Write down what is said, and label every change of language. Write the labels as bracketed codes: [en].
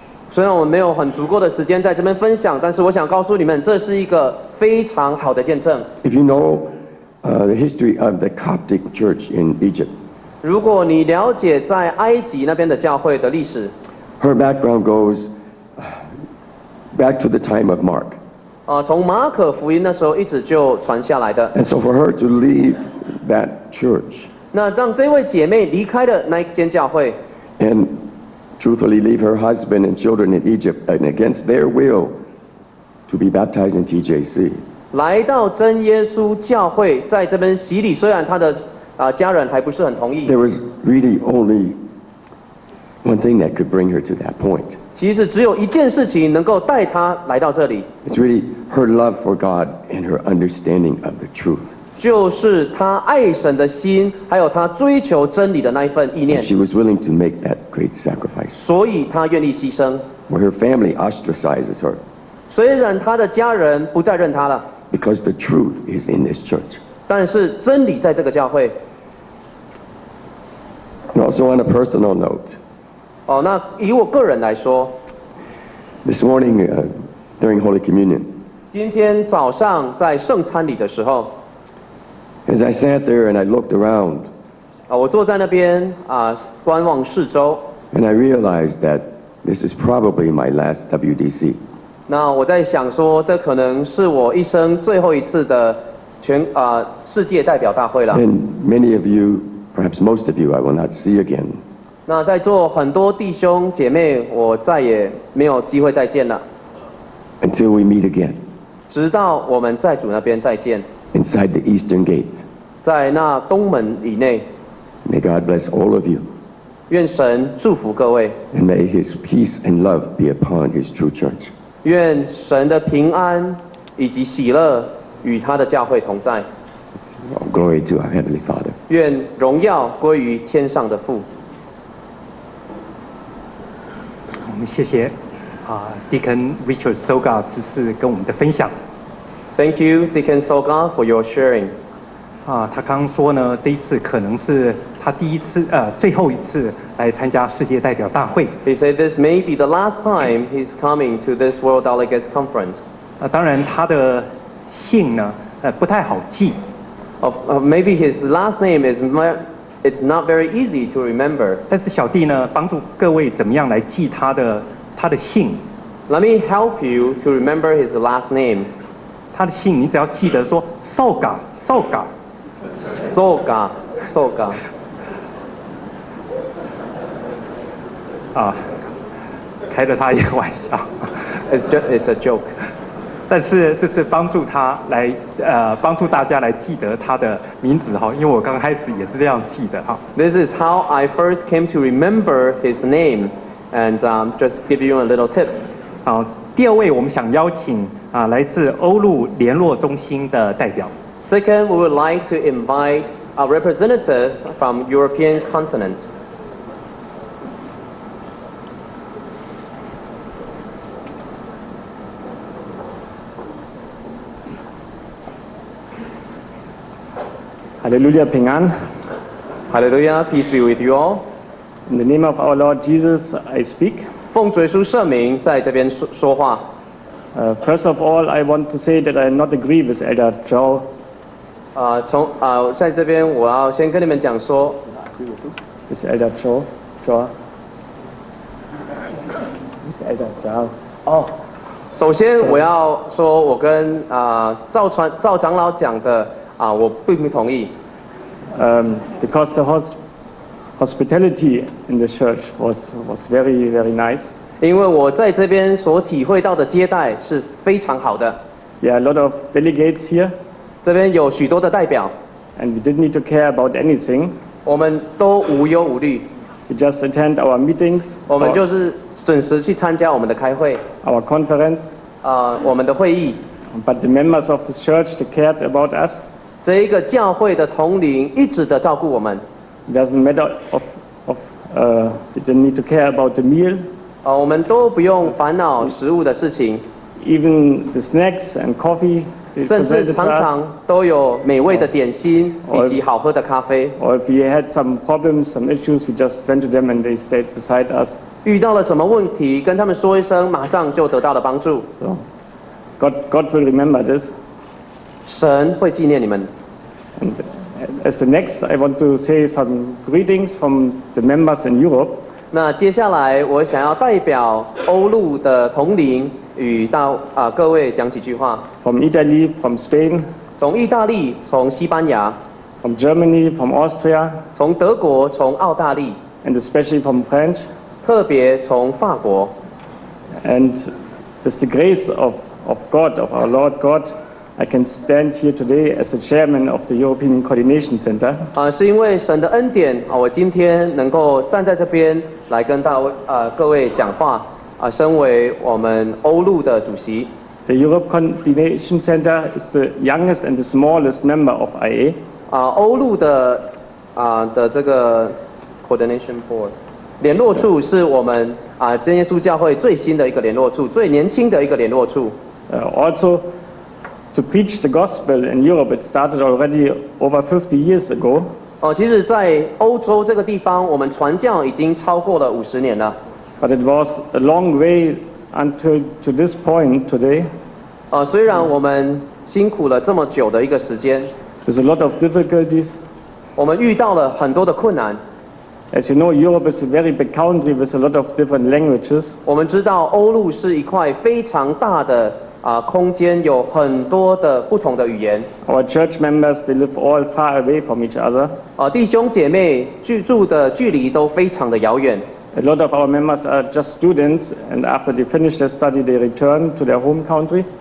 [zh] 虽然我们没有很足够的时间在这边分享，但是我想告诉你们，这是一个非常好的见证。 [en] If you know the history of the Coptic Church in Egypt. [zh] 如果你了解在埃及那边的教会的历史 [en] ，Her background goes back to the time of Mark。 [zh] 从马可福音那时候一直就传下来的。 [en] And so for her to leave that church， [zh] 那让这位姐妹离开了那一间教会。 [en] And truthfully leave her husband and children in Egypt and against their will to be baptized in TJC. [zh] 来到真耶稣教会，在这边洗礼，虽然她的家人还不是很同意。 [en] There was really only one thing that could bring her to that point. [zh] 其实只有一件事情能够带她来到这里。 [en] It's really her love for God and her understanding of the truth. [zh] 就是他爱神的心，还有他追求真理的那一份意念。 [en] She was willing to make that great sacrifice. [zh] 所以他愿意牺牲。 [en] Where her family ostracizes her. [zh] 虽然他的家人不再认他了。 [en] Because the truth is in this church. [zh] 但是真理在这个教会。 [en] And also on a personal note. [zh] 哦，那以我个人来说。 [en] This morning, during Holy Communion. [zh] 今天早上在圣餐礼的时候。 [en] As I sat there and I looked around, [zh] 我坐在那边观望四周 [en] and I realized that this is probably my last WDC. [zh] 那我在想说，这可能是我一生最后一次的世界代表大会了。 [en] And many of you, perhaps most of you, I will not see again. [zh] 那在座很多弟兄姐妹，我再也没有机会再见了。 [en] Until we meet again. [zh] 直到我们在主那边再见。 [en] Inside the Eastern Gate. [zh] 在那东门以内。 [en] May God bless all of you. [zh] 愿神祝福各位。 [en] And may His peace and love be upon His true church. [zh] 愿神的平安以及喜乐与他的教会同在。 [en] All glory to our Heavenly Father. [zh] 愿荣耀归于天上的父。我们谢谢Deacon Richard Soga 执事跟我们的分享。 [en] Thank you, Deacon Soga, for your sharing. [zh] 他刚刚说呢，这一次可能是他第一次，最后一次来参加世界代表大会。 [en] He said this may be the last time he's coming to this World Delegates Conference. [zh] 当然他的姓呢，不太好记。 [en] Maybe his last name is it's not very easy to remember. [zh] 但是小弟呢，帮助各位怎么样来记他的姓。 [en] Let me help you to remember his last name. [zh] 他的姓你只要记得说 Soga Soga Soga Soga 开了他一个玩笑 [en] It's a joke [zh] 但是这是帮助他来帮助大家来记得他的名字因为我刚开始也是这样记的 [en] This is how I first came to remember his name and just give you a little tip [zh] 第二位我们想邀请来自欧陆联络中心的代表。 [en] Second, we would like to invite a representative from European continent. [zh] 哈利路亚平安。 [en] 哈利路亚 peace be with you all. In the name of our Lord Jesus, I speak. [zh] 奉主耶稣圣名在这边说话。 [en] First of all, I want to say that I not agree with Elder Zhou. [zh] 在这边我要先跟你们讲说 [en] ，is Elder Zhou, Zhou. Is Elder Zhou. [zh] 首先我要说，我跟赵长老讲的我并不同意。 [en] Because the hospitality in the church was very very nice. [zh] 因为我在这边所体会到的接待是非常好的。 [en] Yeah, a lot of delegates here. [zh] 这边有许多的代表。 [en] And we didn't need to care about anything. [zh] 我们都无忧无虑。 [en] We just attend our meetings. [zh] 我们就是准时去参加我们的开会。 [en] Our conference. [zh] 我们的会议。 [en] But the members of this church cared about us. [zh] 这一个教会的同龄一直的照顾我们。 [en] It doesn't matter we didn't need to care about the meal. [zh] 我们都不用烦恼食物的事情 [en] Even the snacks and coffee [zh] 甚至常常都有美味的点心以及好喝的咖啡 [en] Or if we had some problems, some issues We just went to them and they stayed beside us [zh] 遇到了什么问题跟他们说一声马上就得到了帮助 [en] So God will remember this [zh] 神会纪念你们 [en] And as the next I want to say some greetings from the members in Europe [zh] 那接下来我想要代表欧陆的同龄与各位讲几句话 [en] From Italy, from Spain [zh] 从意大利从西班牙 [en] from Germany, from Austria, [zh] 从德国，从澳大利 [en] and especially from France, [zh] 特别从法国 [en] and just the grace of God, of our Lord God, I can stand here today as the chairman of the European Coordination Center. [zh] 是因为神的恩典，我今天能够站在这边来跟大位各位讲话。身为我们欧陆的主席 [en] ，The Europe Coordination Center is the youngest and the smallest member of IA. [zh] 欧陆的的这个 Coordination Board 联络处是我们真耶稣教会最新的一个联络处，最年轻的一个联络处。 [en] Also, to preach the gospel in Europe, it started already over 50 years ago. [zh] 其实，在欧洲这个地方，我们传教已经超过了50年了。 [en] But it was a long way until to this point today. [zh] 虽然我们辛苦了这么久的一个时间 [en] ，There's a lot of difficulties. [zh] 我们遇到了很多的困难。 [en] As you know, Europe is a very big country with a lot of different languages. [zh] 我们知道欧陆是一块非常大的空间，有很多的不同的语言。 [en] Our church members they live all far away from each other. [zh] 弟兄姐妹居住的距离都非常的遥远。 [en] A lot of our members are just students, and after they finish their study, they return to their home country.